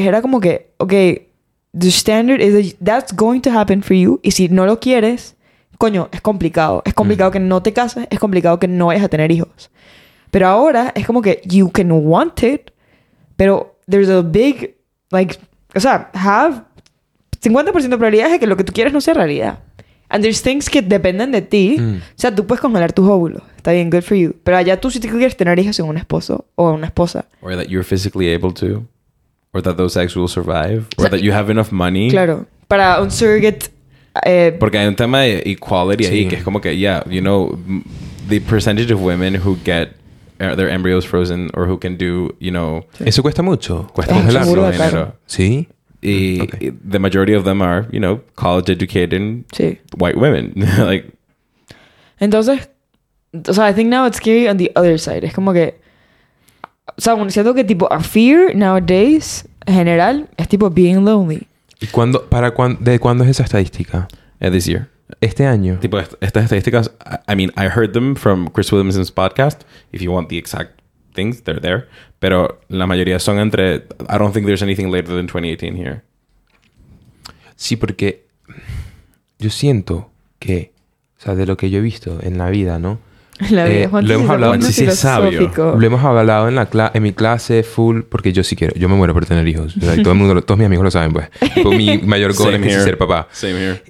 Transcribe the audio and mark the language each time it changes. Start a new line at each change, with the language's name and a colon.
Spanish: Era como que,
English: okay, the standard is that's going to happen for you.
Spanish: Y si no lo quieres, coño, es complicado. Es complicado que no te cases, es complicado que no vayas a tener hijos. Pero ahora es como que
English: you can want it,
Spanish: pero
English: there's a big, like,
Spanish: o sea, have 50% de probabilidades de que lo que tú quieres no sea realidad. And there's things que dependen de ti. Mm. O sea, tú puedes congelar tus óvulos. Está bien,
English: good for you.
Spanish: Pero allá tú sí te quieres tener hijos sin un esposo o una esposa.
English: Or that you're physically able to. Or that those eggs will survive. Or,
Spanish: o sea,
English: that you have enough money.
Spanish: Claro. Para un surrogate. Porque hay un tema de equality, sí, ahí, que es como que,
English: yeah, you know, the percentage of women who get their embryos frozen or who can do, you know...
Spanish: Sí. Eso cuesta mucho. Cuesta mucho dinero. Claro. Sí. Y okay.
English: The majority of them are, you know, college educated,
Spanish: sí,
English: white women. Like,
Spanish: entonces, o sea,
English: I think now it's scary on the other side.
Spanish: Es como que, o sea, bueno, siento que tipo
English: a fear nowadays
Spanish: en general es tipo
English: being lonely.
Spanish: ¿Y cuándo, para cuándo, de cuándo es esa estadística?
English: This year.
Spanish: Este año. Tipo, estas estadísticas,
English: I mean, I heard them from Chris Williamson's podcast. If you want the exact things, they're there.
Spanish: Pero la mayoría son entre...
English: I don't think there's anything later than 2018 here.
Spanish: Sí, porque... Yo siento que... O sea, de lo que yo he visto en la vida, ¿no? La vida, Juan, lo hemos hablado, sí, es sabio. Lo hemos hablado en, en mi clase full... Porque yo sí quiero. Yo me muero por tener hijos. O sea, todo el mundo, todos mis amigos lo saben, pues. Tipo, mi mayor goal es ser papá.
English: Same here.